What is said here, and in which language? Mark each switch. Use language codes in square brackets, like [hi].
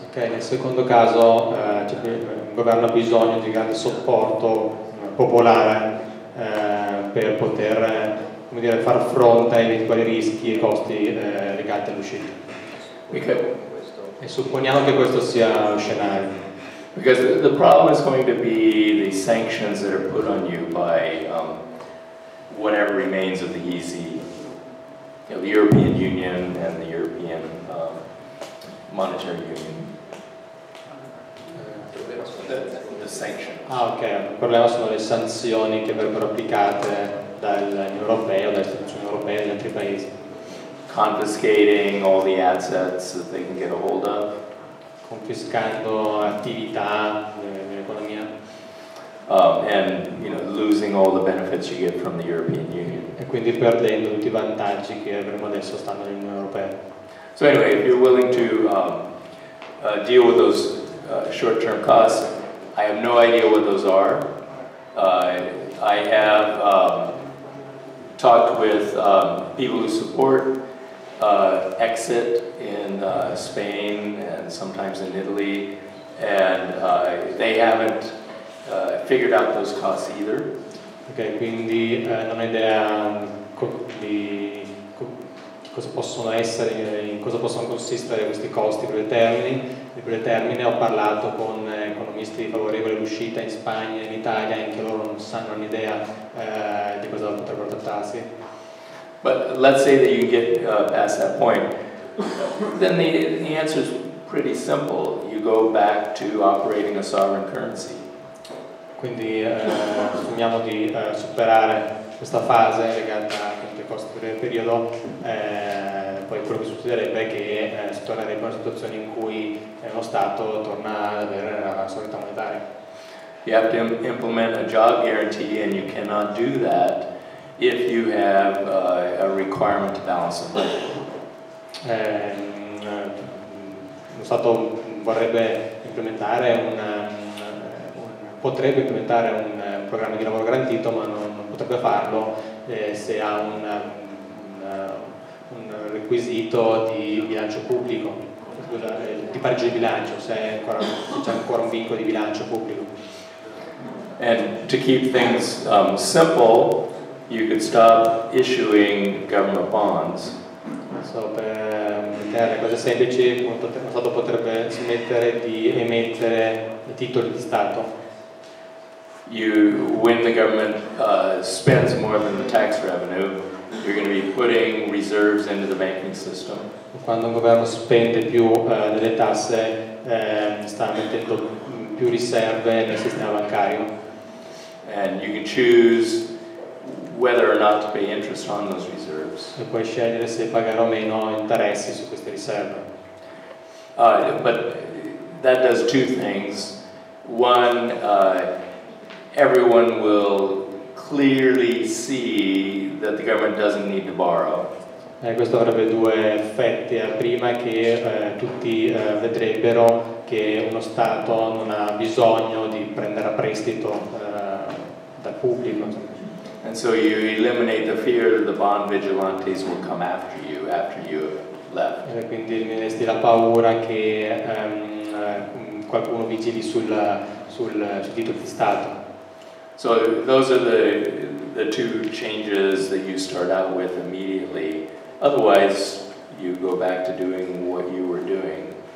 [it] Ok, nel secondo caso il governo ha bisogno di grande supporto popolare per poter far fronte ai eventuali rischi e costi legati all'uscita. [en] Okay. [it] E supponiamo che questo sia lo scenario. [en] Because the problem is going to be the sanctions that are put on you by whatever remains of the EC, the European Union and the European Monetary Union. The sanctions. [it] Ah, ok. Il problema sono le sanzioni che verrebbero applicate dall'Unione Europea, dalle istituzioni europee e da altri paesi. [en] Confiscating all the assets that they can get a hold of. [it] Confiscando attività nell'economia. [en] And losing all the benefits you get from the European Union. [it] E quindi perdendo tutti i vantaggi che avremo adesso stando nell'Unione Europea. [en] So anyway, if you're willing to deal with those short-term costs, I have no idea what those are. I have talked with people who support exit in Spain and sometimes in Italy, and they haven't figured out those costs either. [it] Okay, quindi non ho idea di cosa possono essere, in cosa possono consistere questi costi per il termine. Ho parlato con economisti favorevoli all'uscita in Spagna e in Italia, anche loro non sanno un'idea di cosa potrebbero trattarsi. [en] But let's say that you get past that point, then the answer is pretty simple. You go back to operating a sovereign currency. [it] Quindi assumiamo di superare questa fase legata a questo periodo, poi quello che succederebbe è che si tornerebbe a una situazione in cui lo Stato torna ad avere la solita monetaria. [en] You have to implement a job guarantee, and you cannot do that if you have a requirement to balance the budget. [it] Lo Stato vorrebbe implementare potrebbe implementare un programma di lavoro garantito, ma non potrebbe farlo se ha un requisito di bilancio pubblico, di pareggio di bilancio, se c'è ancora un vincolo di bilancio pubblico. [en] And to keep things simple, you could stop issuing government bonds. [it] So per mettere cose semplici, lo Stato potrebbe smettere di emettere titoli di Stato. [en] When the government spends more than the tax revenue, you're going to be putting reserves into the banking system. [it] Quando un governo spende più delle tasse, sta mettendo più riserve nel sistema bancario. [en] And you can choose whether or not to pay interest on those reserves. [it] E puoi scegliere se pagare o meno interessi su queste riserve. [en] But that does two things. One, everyone will clearly see that the government doesn't need to borrow. [it] Questo avrebbe due effetti. La prima è che tutti vedrebbero che uno Stato non ha bisogno di prendere a prestito dal pubblico. [en] And so you eliminate the fear that the bond vigilantes will come after you have left. [it] E quindi eliminesti la paura che qualcuno vigili sul titolo di Stato. [en] So those are the two changes that you start out with immediately. Otherwise, you go back to doing what you were doing.